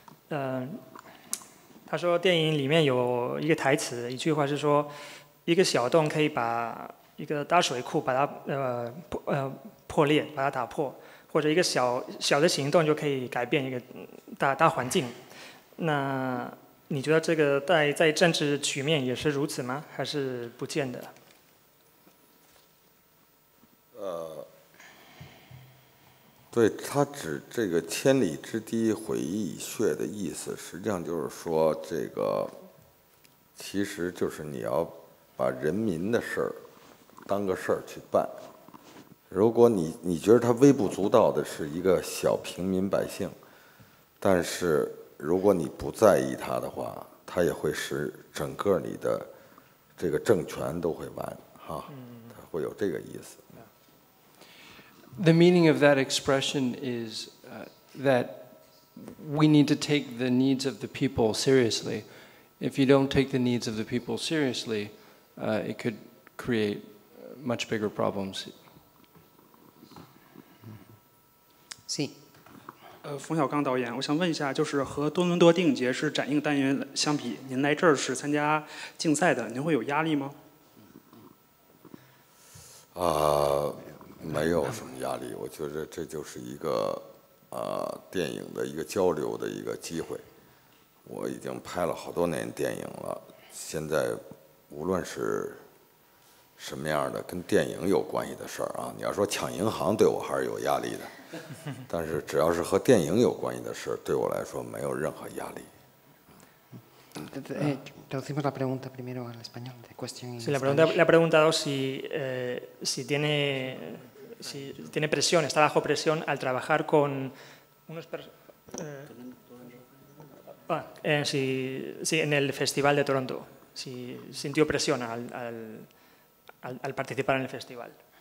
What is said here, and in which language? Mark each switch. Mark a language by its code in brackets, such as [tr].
[es] Ha dicho que en la película hay una frase, una frase que dice: un pequeño hueco puede romper un pozo de agua, o una pequeña acción puede cambiar un ambiente. [zh] 那你觉得这个在政治局面也是如此吗？还是不见得？对他指这个“千里之堤，毁一穴”的意思，实际上就是说，这个其实就是你要把人民的事儿当个事儿去办。如果你觉得他微不足道的是一个小平民百姓，但是。如果你不在意他的话，他也会使整个你的这个政权都会完哈，他会有这个意思。 [en] The meaning of that expression is that we need to take the needs of the people seriously. If you don't take the needs of the people seriously, it could create much bigger problems. [es] Sí. [zh] 冯小刚导演，我想问一下，就是和多伦多电影节是展映单元相比，您来这儿是参加竞赛的，您会有压力吗？没有什么压力，我觉得这就是一个电影的一个交流的一个机会。我已经拍了好多年电影了，现在无论是什么样的跟电影有关系的事儿啊，你要说抢银行，对我还是有压力的。但是只要是和电影有关系的事，对我来说没有任何压力。 [es] Traducimos la pregunta primero al español. Sí, la pregunta le ha preguntado si tiene presión, está bajo presión al trabajar con unos si en el festival de Toronto, si sintió presión al participar en el festival.